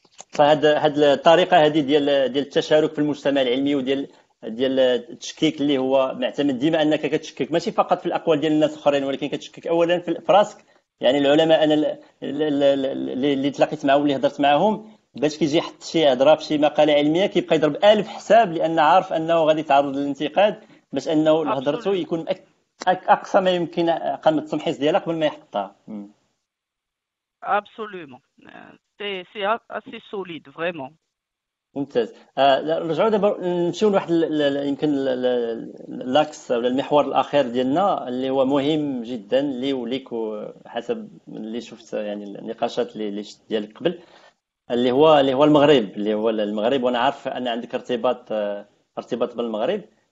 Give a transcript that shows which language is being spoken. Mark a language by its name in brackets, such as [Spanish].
[Arabic] فهاد الطريقه هذه ديال التشارك في المجتمع العلمي وديال التشكيك، اللي هو معتمد ديما انك كتشكك ماشي فقط في الاقوال ديال الناس الاخرين، ولكن كتشكك اولا في راسك، يعني العلماء انا اللي تلاقيت معاهم اللي هضرت معاهم، باش كيجي يحط شي هضره في شي مقاله علميه كيبقى يضرب الف حساب، لان عارف انه غادي يتعرض للانتقاد، باش انه هضرته [English] absolutely. [Arabic] يكون اقصى ما يمكن قامه التمحيص ديالها قبل ما يحطها. [French] Absolument. C'est assez solide, vraiment. [Arabic] ممتاز. نرجعوا دابا نمشيو لواحد يمكن لاكس ولا المحور الاخير ديالنا اللي هو مهم جدا لي وليك، وحسب اللي شفت يعني النقاشات اللي شفت ديالك قبل، اللي هو المغرب، اللي هو المغرب، وانا عارف ان عندك ارتباط بالمغرب،